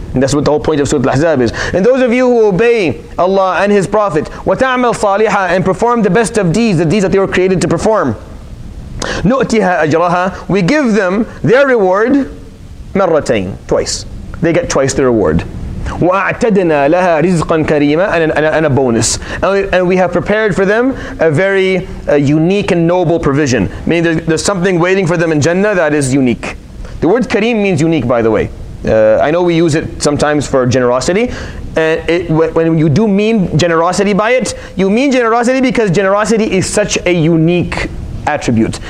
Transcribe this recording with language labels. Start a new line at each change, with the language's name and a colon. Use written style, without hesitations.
English: And that's what the whole point of Surah Al-Ahzab is. And those of you who obey Allah and His Prophet,
Arabic: وَتَعْمَلْ صَالِحًا,
English: and perform the best of deeds, the deeds that they were created to perform.
Arabic: نُؤْتِهَا أَجْرَهَا,
English: we give them their reward,
Arabic: مَرَّتَيْن,
English: twice. They get twice the reward.
Arabic: وَأَعْتَدْنَا لَهَا رِزْقًا كَرِيمًا,
English: and a bonus. And we have prepared for them a very unique and noble provision. Meaning there's something waiting for them in Jannah that is unique. The word kareem means unique, by the way. I know we use it sometimes for generosity. When you do mean generosity by it, you mean generosity because generosity is such a unique attribute.